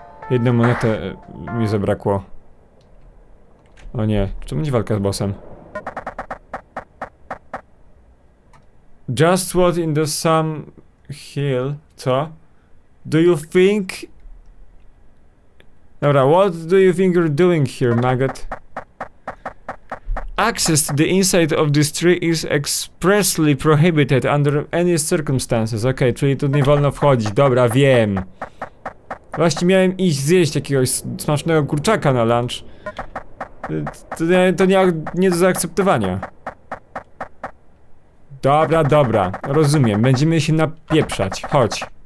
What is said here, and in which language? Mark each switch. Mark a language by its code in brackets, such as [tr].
[pl] Jedną monetę mi zabrakło. O nie, czy będzie walka z bossem? [en] Just what in the some hill, co? Do you think... Dobra, what do you think you're doing here, maggot? Access to the inside of this tree is expressly prohibited under any circumstances. [pl] Okej, okay, czyli tu nie wolno wchodzić, dobra, wiem. Właśnie miałem iść zjeść jakiegoś smacznego kurczaka na lunch. To nie do zaakceptowania. Dobra, dobra, rozumiem, będziemy się napieprzać, chodź.